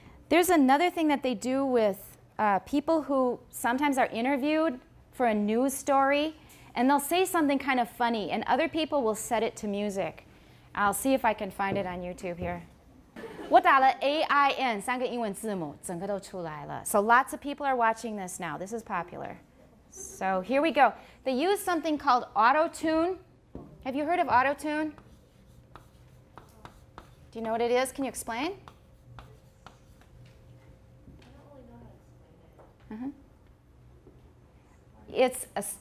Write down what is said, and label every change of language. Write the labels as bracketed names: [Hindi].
[English] There's another thing that they do with people who sometimes are interviewed for a news story, and they'll say something kind of funny, and other people will set it to music. I'll see if I can find it on YouTube here. [Chinese] 我打了 AIN, 三个英文字母,整个都出来了。 [English] So lots of people are watching this now. This is popular. So here we go. They use something called auto-tune. Have you heard of auto-tune? Do you know what it is? Can you explain? I don't really know how to explain it.